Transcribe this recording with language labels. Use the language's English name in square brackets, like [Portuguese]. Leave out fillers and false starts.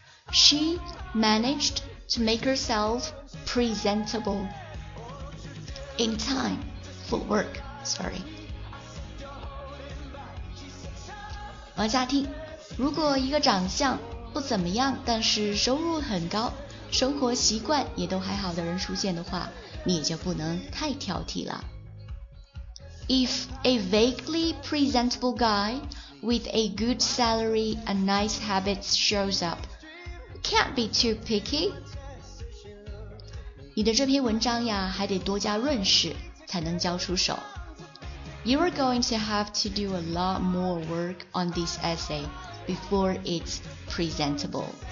[English] She managed to make herself presentable in time for work. Sorry. [Chinese] 往下听，如果一个长相不怎么样，但是收入很高，生活习惯也都还好的人出现的话，你也就不能太挑剔了。 [English] If a vaguely presentable guy with a good salary and nice habits shows up, can't be too picky. [Chinese] 你的这篇文章呀，还得多加润饰，才能交出手。 [English] You are going to have to do a lot more work on this essay before it's presentable.